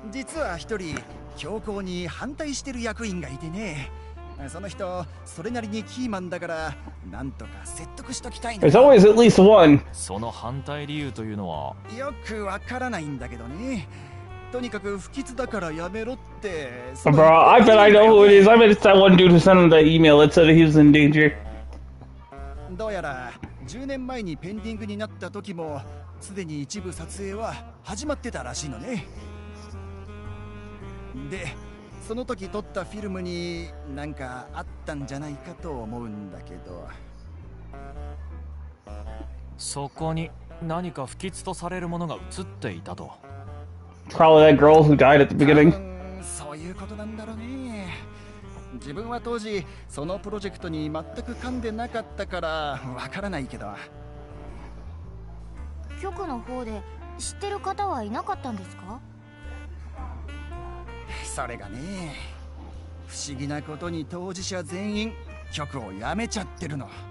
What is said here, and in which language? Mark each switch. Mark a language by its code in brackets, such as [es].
[ja] 実は一人強行に反対してる役員がいてね。その人それなりにキーマンだからなんとか説得しときたいんだ。 [en] There's always at least one。 [ja] その反対理由というのはよくわからないんだけどね。とにかく不吉だからやめろって。 [en] Bro, I bet I know who it is. I bet it's that one dude who sent him that email that said he was in danger. [ja] どうやら10年前にペンディングになった時もすでに一部撮影は始まってたらしいのね。で、その時撮ったフィルムに何かあったんじゃないかと思うんだけど。そこに何か不吉とされるものが映っていたと。 [en] Probably that girl who died at the beginning. [ja] そういうことなんだろうね。自分は当時そのプロジェクトに全く噛んでなかったからわからないけど。局の方で知ってる方はいなかったんですか？それがね、不思議なことに当事者全員局を辞めちゃってるの。